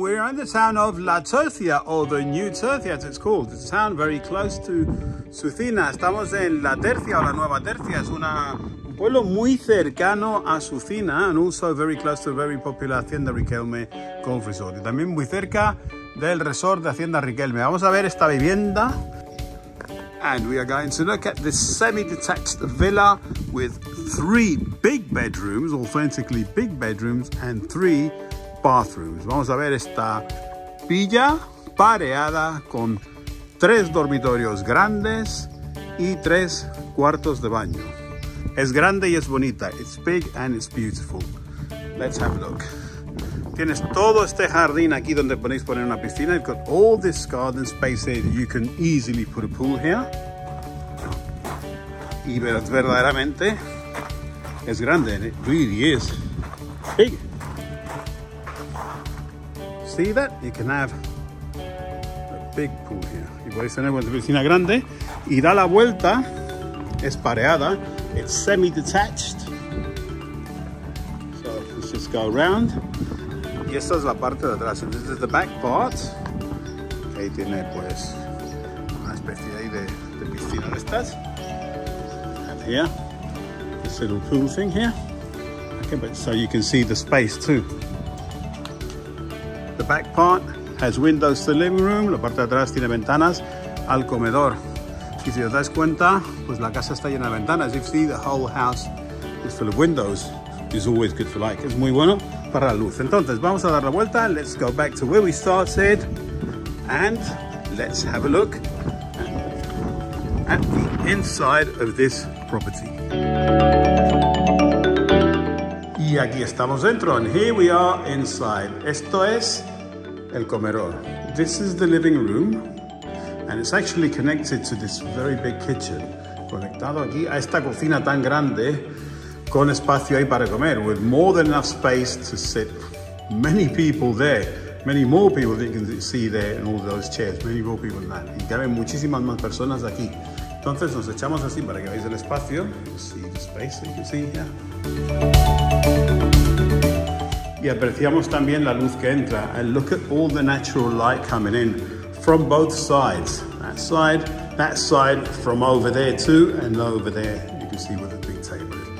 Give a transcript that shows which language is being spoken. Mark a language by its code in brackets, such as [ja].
[en] We're in the town of La Tercia, or the New Tercia, as it's called. It's a town very close to Sucina. [es] Estamos en La Tercia, o La Nueva Tercia. Es una, un pueblo muy cercano a Sucina, [en] and also very close to a very popular Hacienda Riquelme Golf Resort. [es] Y también muy cerca del resort de Hacienda Riquelme. Vamos a ver esta vivienda. [en] And we are going to look at this semi-detached villa with three big bedrooms, authentically big bedrooms, and three bathrooms. [es] Vamos a ver esta villa pareada con tres dormitorios grandes y tres cuartos de baño. Es grande y es bonita. [en] It's big and it's beautiful. Let's have a look. [es] Tienes todo este jardín aquí donde podéis poner una piscina. [en] You've got all this garden space here that you can easily put a pool here. [es] Y verdaderamente es grande. [en] It really is big. See that? You can have a big pool here. [es] Y podéis tener una piscina grande. Y da la vuelta. Es pareada. [en] It's semi-detached. So let's just go around. [es] Y esta es la parte de atrás. [en] This is the back part. [es] Ahí tiene pues una especie ahí de piscina de estas. [en] And here, this little pool thing here. Okay, but so you can see the space too. The back part has windows to the living room. [es] La parte de atrás tiene ventanas al comedor. Y si os dais cuenta, pues la casa está llena de ventanas. [en] You see the whole house is full of windows. It's always good for light. [es] Es muy bueno para la luz. Entonces, vamos a dar la vuelta. [en] Let's go back to where we started and let's have a look at the inside of this property. [es] Y aquí estamos dentro. [en] And here we are inside. [es] Esto es el comedor. [en] This is the living room and it's actually connected to this very big kitchen. [es] Conectado aquí a esta cocina tan grande. Con espacio ahí para comer, [en] with more than enough space to sit many people there, many more people that you can see there in all those chairs, many more people than that. [es] Y caben muchísimas más personas aquí. Entonces nos echamos así para que veáis el espacio. [en] See the space that you can see here. [es] Y apreciamos también la luz que entra. [en] And look at all the natural light coming in from both sides. That side from over there too, and over there you can see with the big table.